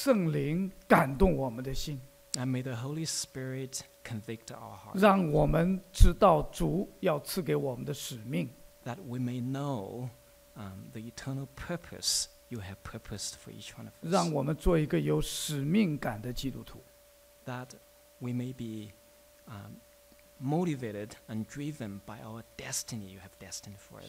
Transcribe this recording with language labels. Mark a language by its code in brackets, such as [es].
[zh] 愿主的圣灵感动我们的心。 [en] And may the Holy Spirit convict our hearts. [zh] 让我们知道主要赐给我们的使命。 [en] That we may know the eternal purpose you have purposed for each one of us. [zh] 让我们做一个有使命感的基督徒。 [en] That we may be motivated and driven by our destiny you have destined for us.